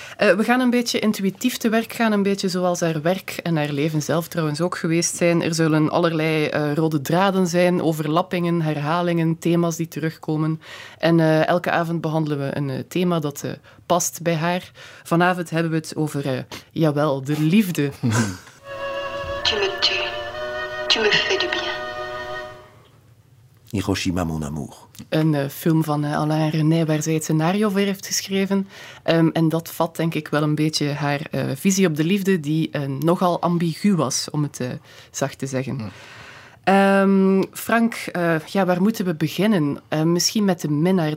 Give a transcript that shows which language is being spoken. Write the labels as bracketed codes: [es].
[nl] We gaan een beetje intuïtief te werk gaan, een beetje zoals haar werk en haar leven zelf trouwens ook geweest zijn. Er zullen allerlei rode draden zijn, overlappingen, herhalingen, thema's die terugkomen. En elke avond behandelen we een thema dat past bij haar. Vanavond hebben we het over, jawel, de liefde. [fr] Tu me tues, tu me fais du bien. Hiroshima, mon amour. [nl] Een film van Alain René, waar zij het scenario voor heeft geschreven. En dat vat denk ik wel een beetje haar visie op de liefde, die nogal ambigu was, om het zacht te zeggen. Frank, waar moeten we beginnen? Misschien met De Minnaar.